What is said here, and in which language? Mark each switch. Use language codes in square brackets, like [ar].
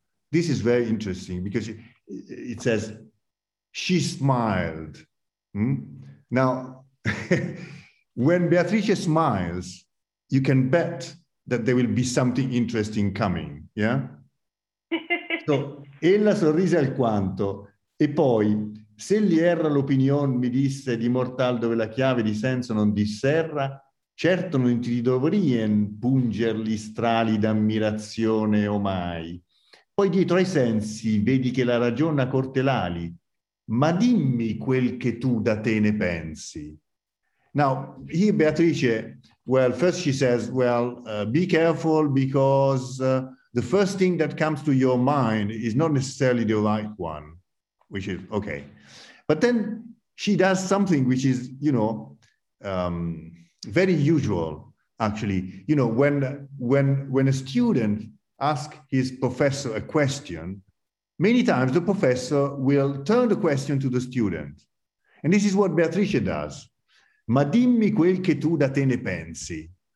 [en] This is very interesting because it says, she smiled. Now, when Beatrice smiles, you can bet that there will be something interesting coming, yeah? [it] So, ella sorrise alquanto. E poi, se li erra l'opinion mi disse di mortal dove la chiave di senso non disserra, certo non ti dovrien punger gli strali d'ammirazione o mai. Poi dietro ai sensi vedi che la ragione ha corte l'ali, ma dimmi quel che tu da te ne pensi. [en] Now, here Beatrice, well, first she says, well, be careful because the first thing that comes to your mind is not necessarily the right one. Which is okay. But then she does something which is, you know, very usual, actually. You know, when a student asks his professor a question, many times the professor will turn the question to the student. And this is what Beatrice does. [it] Ma dimmi quel che tu da te ne pensi.